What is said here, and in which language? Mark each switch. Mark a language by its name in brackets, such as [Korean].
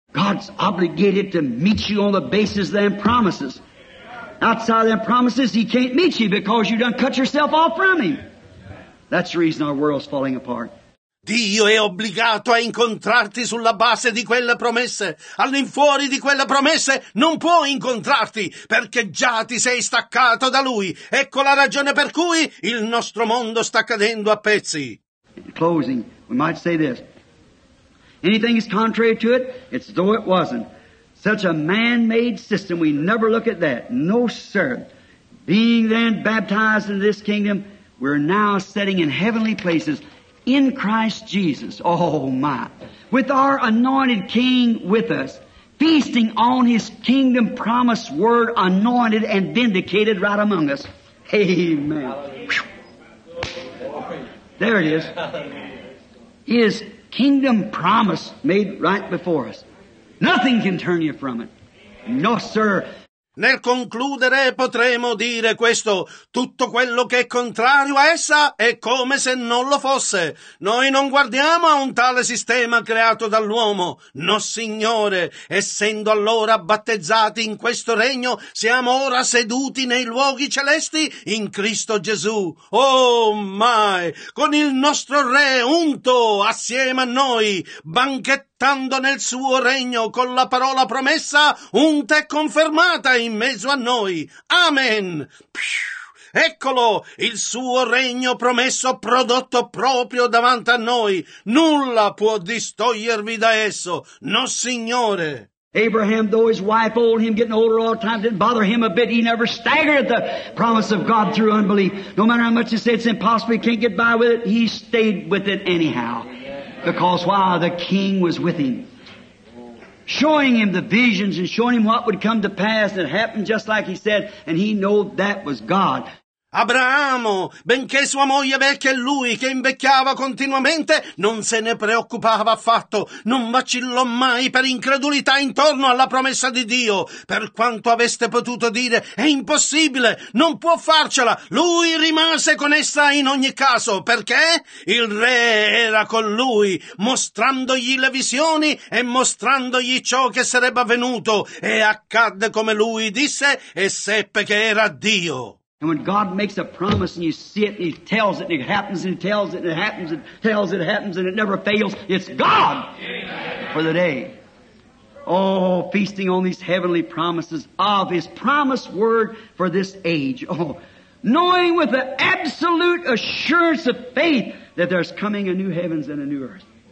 [English] God's obligated to meet you on the basis of them promises. Outside of them promises, he can't meet you because you done cut yourself off from him. That's the reason our world's falling apart. [Italian] Dio è obbligato a incontrarti sulla base di quelle promesse. All'infuori di quelle promesse non può incontrarti, perché già ti sei staccato da Lui. Ecco la ragione per cui il nostro mondo sta cadendo a pezzi. [English] In closing, we might say this. Anything is contrary to it, it's though it wasn't. Such a man-made system, we never look at that. No, sir. Being then baptized in this kingdom, we're now sitting in heavenly places in Christ Jesus, oh my, with our anointed King with us, feasting on His kingdom promised word, anointed and vindicated right among us. Amen. There it is. His kingdom promise made right before us. Nothing can turn you from it. No, sir. [Italian] Nel concludere potremo dire questo, tutto quello che è contrario a essa è come se non lo fosse. Noi non guardiamo a un tale sistema creato dall'uomo. No, Signore, essendo allora battezzati in questo regno, siamo ora seduti nei luoghi celesti in Cristo Gesù. Oh, mai, con il nostro Re unto assieme a noi, banchettando. Tanto nel suo regno con la parola promessa, unta e confermata in mezzo a noi. Amen. Eccolo, il suo regno promesso prodotto proprio davanti a noi. Nulla può distogliervi da esso, no Signore. [English] Abraham, though his wife old, him getting older all the time, didn't bother him a bit. He never staggered at the promise of God through unbelief. No matter how much you say it's impossible, he can't get by with it, he stayed with it anyhow. Because why? The king was with him, showing him the visions and showing him what would come to pass. It happened just like he said, and he knew that was God. [Italian] Abramo, benché sua moglie vecchia e lui che invecchiava continuamente, non se ne preoccupava affatto, non vacillò mai per incredulità intorno alla promessa di Dio. Per quanto aveste potuto dire, è impossibile, non può farcela, lui rimase con essa in ogni caso, perché il re era con lui, mostrandogli le visioni e mostrandogli ciò che sarebbe avvenuto, e accadde come lui disse e seppe che era Dio. [English] And when God makes a promise and you see it and he tells it and it happens and tells it and it happens and tells it happens and it never fails, it's God for the day. Oh, feasting on these heavenly promises of his promised word for this age. Oh, knowing with the absolute assurance of faith that there's coming a new heavens and a new earth.